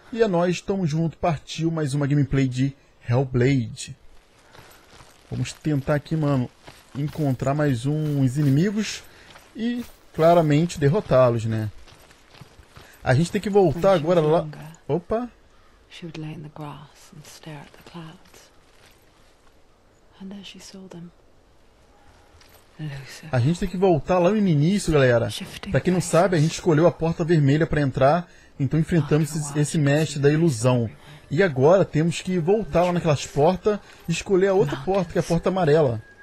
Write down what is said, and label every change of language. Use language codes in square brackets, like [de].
[pt] E a nós, tamo junto, partiu mais uma gameplay de Hellblade. Vamos tentar aqui, mano, encontrar mais uns inimigos e claramente derrotá-los, né? A gente tem que voltar agora lá. Opa! [en] She would lay in the grass and stare at the clouds. And there she saw them. [pt] A gente tem que voltar lá no início, galera. Pra quem não sabe, a gente escolheu a porta vermelha pra entrar. Então enfrentamos esse mestre da ilusão. E agora temos que voltar lá naquelas portas e escolher a outra porta, que é a porta amarela.